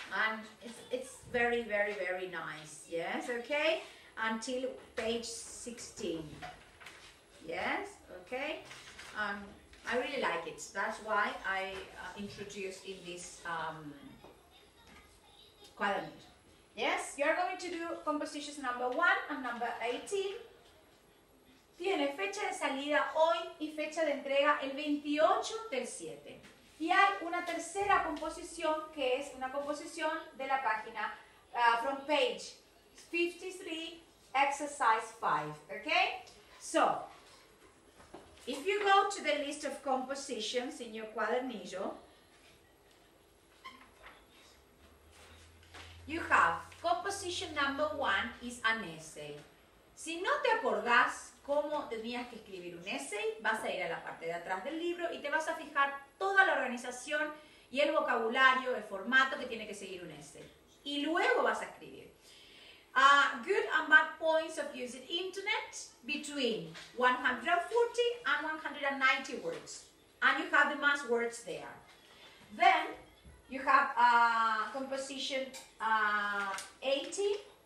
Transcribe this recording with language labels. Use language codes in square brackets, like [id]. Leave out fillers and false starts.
[en] and it's very, very, very nice, yes, okay, until page 16, yes, okay, I really like it. That's why I introduced in this quadrant. Yes, you're going to do compositions number 1 and number 18. [es] Tiene fecha de salida hoy y fecha de entrega el 28 del 7. Y hay una tercera composición que es una composición de la página [en] from page 53, exercise 5. Okay? So, if you go to the list of compositions in your cuadernillo, you have composition number 1 is an essay. [es] Si no te acordás cómo tenías que escribir un essay, vas a ir a la parte de atrás del libro y te vas a fijar toda la organización y el vocabulario, el formato que tiene que seguir un essay. Y luego vas a escribir. [en] Good and bad points of using internet between 140 and 190 words. And you have the mass words there. Then you have composition 18.